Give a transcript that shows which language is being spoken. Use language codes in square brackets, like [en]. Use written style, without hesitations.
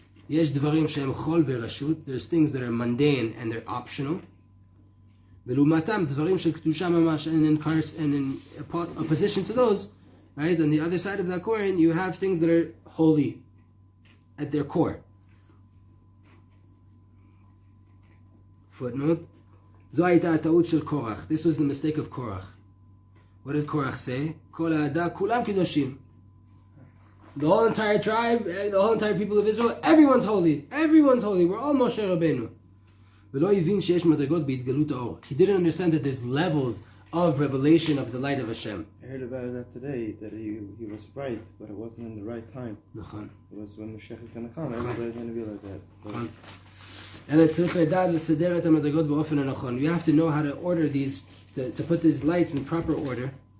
[he] יש דברים שהם חול ורשות. [en] There's things that are mundane and they're optional. [he] ולעומתם דברים של קדושה ממש, [en] and in opposition to those, right? On the other side of that coin, you have things that are holy at their core. [he] Footnote. זו הייתה הטעות של קורח. [en] This was the mistake of Korach. What did Korach say? [he] כל העדה כולם קדושים. [en] The whole entire tribe, the whole entire people of Israel, everyone's holy. Everyone's holy. We're all Moshe Rabbeinu. [he] ולא יבין שיש מדרגות בהתגלות האור. [en] He didn't understand that there's levels of revelation of the light of Hashem. I heard about that today, that he was right, but it wasn't in the right time. [he] נכון. [en] It was when Moshe is going to come. Everybody's going to be like that. [he] נכון. אלא צריך לדעת לסדר את המדרגות באופן הנכון. [en] You have to know how to order these, to put these lights in proper order.